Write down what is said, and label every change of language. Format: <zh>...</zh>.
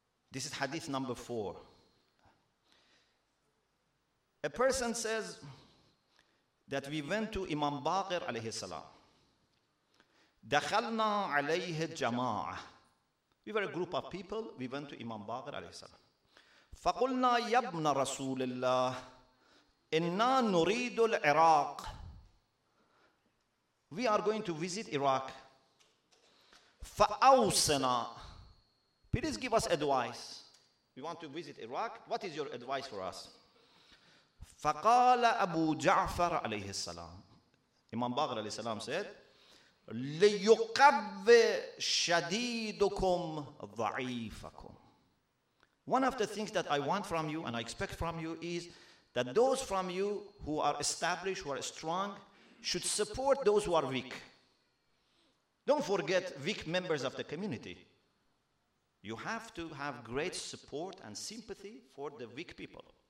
<en>This is hadith number 4. A person says that we went to Imam Baqir alayhi salam.</en> <ar>دخلنا عليه جماعة.</ar> <en>We were a group of people. We went to Imam Baqir alayhi salam.</en> <ar>فقلنا يا ابن رسول الله إنا نريد العراق.</ar> <en>We are going to visit Iraq.</en> <ar>فأوصنا.</ar> <en>Please give us advice. We want to visit Iraq. What is your advice for us?</en> <ar>فقال أبو جعفر عليه السلام. Imam Baqir عليه السلام said, ليقب شديدكم ضعيفكم.</ar> <en>One of the things that I want from you and I expect from you is that those from you who are established, who are strong, should support those who are weak. Don't forget weak members of the community. You have to have great support and sympathy for the weak people.</en>